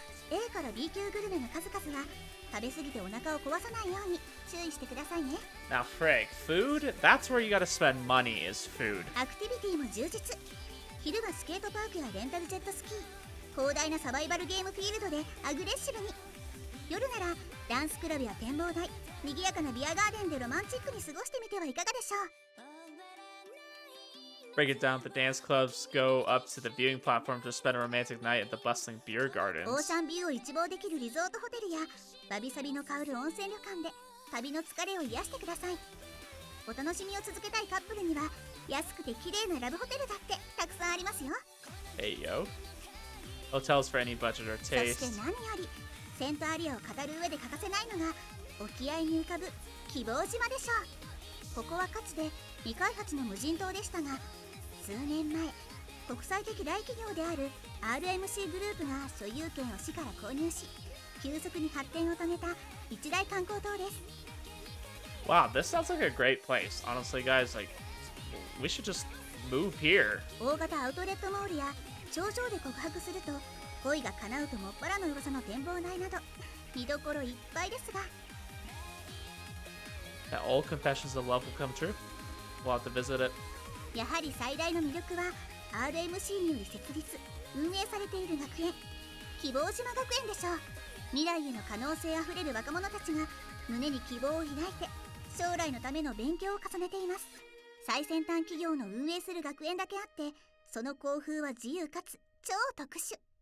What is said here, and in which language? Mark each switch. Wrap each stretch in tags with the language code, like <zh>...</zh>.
<ja>A から B 級グルメの数々は食べ過ぎてお腹を壊さないように注意してくださいね。</ja> <en>Now Frick, food? That's where you gotta spend money is food.</en> <ja>アクティビティも充実。昼はスケートパークやレンタルジェットスキー、広大なサバイバルゲームフィールドでアグレッシブに。夜ならダンスクラブや展望台、賑やかなビアガーデンでロマンチックに過ごしてみてはいかがでしょう。</ja> <en>Break it down, the dance clubs go up to the viewing platform to spend a romantic night at the bustling beer gardens.</en> <ja>Ocean view を一望できるリゾートホテルや、バビサビの香る温泉旅館で旅の疲れを癒してください。お楽しみを続けたいカップルには、安くて綺麗なラブホテルだってたくさんありますよ。</ja> <en>Hey yo. Hotels for any budget or taste.</en> <ja>そして何より、セントアリアを語る上で欠かせないのが、沖合に浮かぶ希望島でしょう。ここはかつて未開発の無人島でしたが、数年前、国際的大企業である RMC グループが所有権を市から購入し、急速に発展を遂げた一大観光島です。</ja> <en>Wow, this sounds like a great place. Honestly, guys, like, we should just move here.</en> <ja>大型アウトレットモールや頂上で告白すると恋が叶うともっぱらの噂の展望台など見どころいっぱいですが。</ja> <en>That all confessions of love will come true. We'll have to visit it.</en> <ja>やはり最大の魅力は RMC により設立運営されている学園希望島学園でしょう。未来への可能性あふれる若者たちが胸に希望を抱いて将来のための勉強を重ねています。最先端企業の運営する学園だけあって、その校風は自由かつ超特殊。</ja>